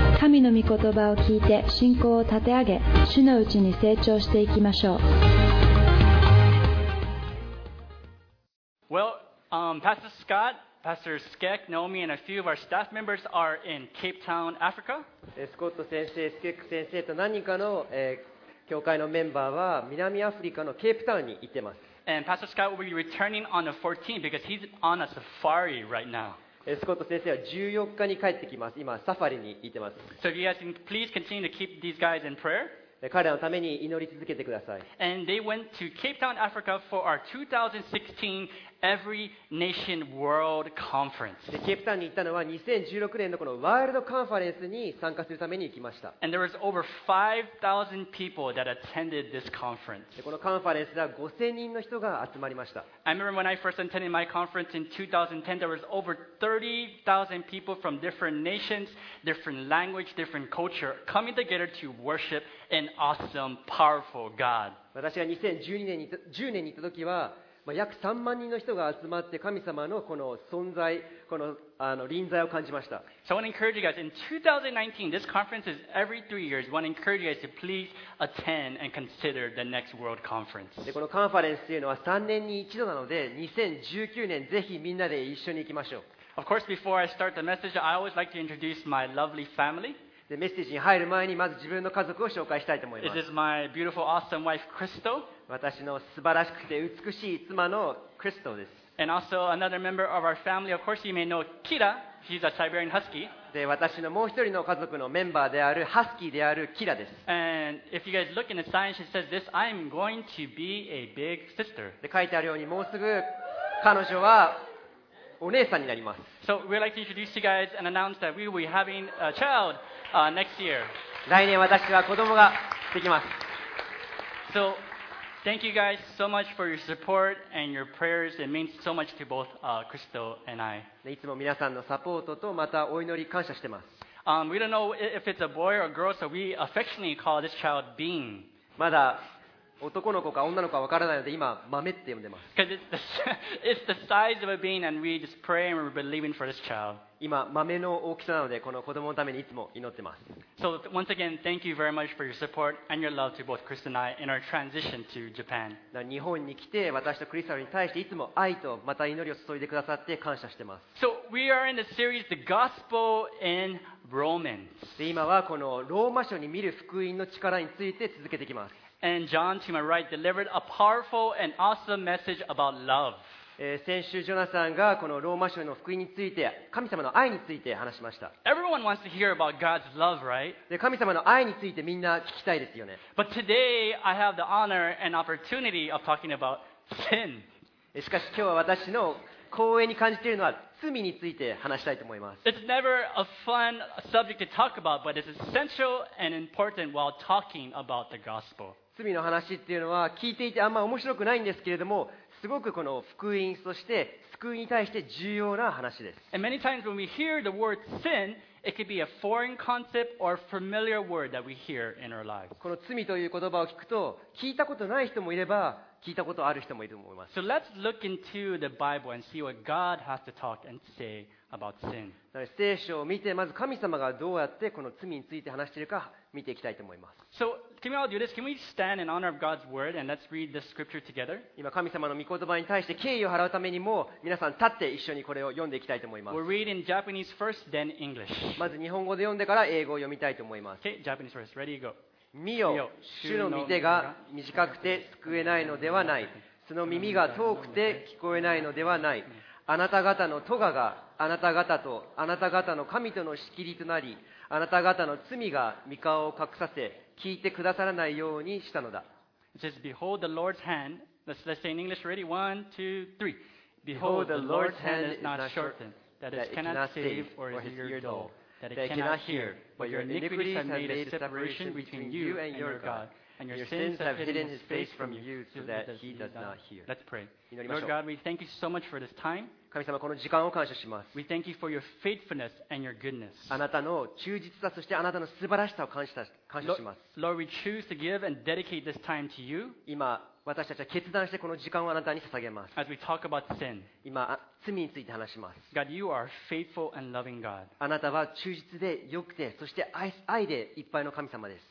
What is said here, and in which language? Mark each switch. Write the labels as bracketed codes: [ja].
[ja] 神の御言葉を聞いて信仰を立て上げ、主のうちに成長していきましょう。 [en] Well, Pastor Scott, Pastor Skek, Naomi, and a few of our staff members are in Cape Town, Africa. [ja] スコット先生、スケック先生と何人かの、教会のメンバーは南アフリカのケープタウンに行ってます。 [en] And Pastor Scott will be returning on the 14th because he's on a safari right now. [ja] スコット先生は14日に帰ってきます。今サファリに行ってます。 [en] So if you guys can please continue to keep these guys in prayer. [ja] 彼らのために祈り続けてください。 [en] And they went to Cape Town, Africa for our 2016 Every Nation World Conference. [ja] で、ケープタウンに行ったのは2016年のこのワールドカンファレンスに参加するために行きました。 [en] And there was over 5,000 people that attended this conference. [ja] で、このカンファレンスでは5,000人の人が集まりました。 [en] I remember when I first attended my conference in 2010, there was over 30,000 people from different nations, different language, different culture coming together to worship an awesome, powerful God. [ja] 私が2010年に行った時は、まあ、約3万人の人が集まって神様のこの存在、この臨在を感じました。 [en] So I want to encourage you guys, in 2019, this conference is every 3 years. I want to encourage you guys to please attend and consider the next world conference. [ja] で、このカンファレンスというのは3年に1度なので、2019年ぜひみんなで一緒に行きましょう。 [en] Of course, before I start the message, I always like to introduce my lovely family. [ja] でメッセージに入る前にまず自分の家族を紹介したいと思います。 [en] This is my beautiful, awesome wife, Crystal. [ja] 私の素晴らしくて美しい妻のクリストです。 [en] And also another member of our family, of course you may know Kira. She's a Siberian Husky. [ja] で私のもう一人の家族のメンバーであるハスキーであるキラです。 [en] And if you guys look in the sign, she says this, I'm going to be a big sister. [ja] で書いてあるようにもうすぐ彼女はお姉さんになります。 [en] So we'd like to introduce you guys and announce that we will be having a child. Next year. [ja] 来年私は子供ができます。 [en] So, thank you guys so much for your support and your prayers. It means so much to both, Crystal and I. [ja] いつも皆さんのサポートとまたお祈り感謝してます。 [en] We don't know if it's a boy or a girl, so we affectionately call this child Bean. [ja] まだ男の子か女の子かわからないので今豆って呼んでます。 [en] Because it's the size of a bean and we just pray and we're believing for this child. [ja] 今豆の大きさなのでこの子供のためにいつも祈ってます。 [en] So once again, thank you very much for your support and your love to both Chris and I in our transition to Japan. [ja] 日本に来て私とクリスタルに対していつも愛とまた祈りを注いでくださって感謝してます。 [en] So we are in the series The Gospel in Romans. [ja] 今はこのローマ書に見る福音の力について続けていきます。 [en] And John to my right delivered a powerful and awesome message about love. [ja] 先週ジョナサンがこのローマ書の福音について神様の愛について話しました。 [en] Everyone wants to hear about God's love, right? [ja] で、神様の愛についてみんな聞きたいですよね。 [en] But today I have the honor and opportunity of talking about sin. [ja] しかし今日は私の光栄に感じているのは罪について話したいと思います。 [en] It's never a fun subject to talk about, but it's essential and important while talking about the gospel. [ja] 罪の話っていうのは聞いていてあんま面白くないんですけれども。すごくこの福音そして救いに対して重要な話です。 [en] And many times when we hear the word sin, it could be a foreign concept or a familiar word that we hear in our lives. [ja] この罪という言葉を聞くと、聞いたことない人もいれば、聞いたことある人もいると思います。 [en] So let's look into the Bible and see what God has to talk and say about sin. [ja] 聖書を見て、まず神様がどうやってこの罪について話しているか見ていきたいと思います。 [en] So,Can we all do this? Can we stand in honor of God's word and let's read this scripture together? [ja] 今神様の御言葉に対して敬意を払うためにも皆さん立って一緒にこれを読んでいきたいと思います。 [en] We'll read in Japanese first, then English. [ja] まず日本語で読んでから英語を読みたいと思います。 [en] Okay, Japanese first. Ready, go. [ja] 見よ、主の御手が短くて救えないのではない。その耳が遠くて聞こえないのではない。あなた方の咎があなた方とあなた方の神との仕切りとなり、あなた方の罪が御顔を隠させ、聞いてくださらないようにしたのだ。 [en] It says, Behold the Lord's hand. Let's say in English, ready? One, two, three. Behold the Lord's hand is not shortened, that it cannot save or is ear dull, that it cannot hear. But your iniquities have made a separation between you and your God, and your sins have hidden his face from you so that he does not hear. Let's pray. Lord God, we thank you so much for this time. [ja] 神様、この時間を感謝します。 [en] We thank you for your faithfulness and your goodness. [ja] あなたの忠実さ、そしてあなたの素晴らしさを感謝します。 [en] Lord, we choose to give and dedicate this time to you. [ja] 今、私たちは決断してこの時間をあなたに捧げます。 [en] As we talk about sin. [ja] 今、罪について話します。 [en] God, you are faithful and loving God. [ja] あなたは忠実で良くて、そして愛でいっぱいの神様です。